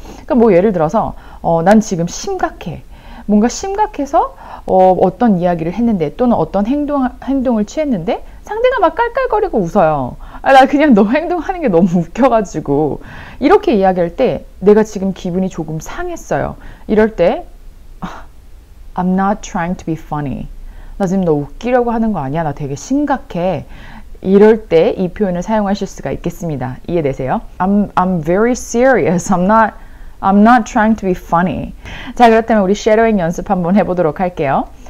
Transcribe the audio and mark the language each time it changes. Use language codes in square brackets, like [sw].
[ko] 그러니까 뭐 예를 들어서 난 지금 심각해. 뭔가 심각해서 어떤 이야기를 했는데 또는 어떤 행동을 취했는데 상대가 막 깔깔거리고 웃어요. 아, 나 그냥 너 행동하는 게 너무 웃겨가지고. 이렇게 이야기할 때 내가 지금 기분이 조금 상했어요. 이럴 때 [en] I'm not trying to be funny. [ko] 나 지금 너 웃기려고 하는 거 아니야. 나 되게 심각해. 이럴 때 이 표현을 사용하실 수가 있겠습니다. 이해되세요? [en] I'm very serious. I'm not trying to be funny. [ko] 자, 그렇다면 우리 쉐도잉 연습 한번 해보도록 할게요.